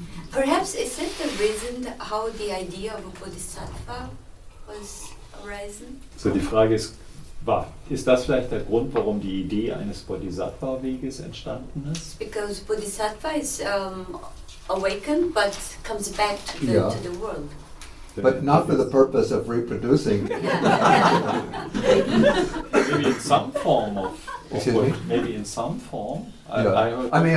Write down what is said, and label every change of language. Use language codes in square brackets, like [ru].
[en] Perhaps is that the reason how the idea of a bodhisattva was arisen? [de] So die Frage ist, war, ist das vielleicht der Grund, warum die Idee eines Bodhisattva-Weges entstanden ist? [en] Because Bodhisattva is awakened but comes back to the, yeah, to the world. But not for the purpose of reproducing. Maybe in some form of, maybe in some form. I mean,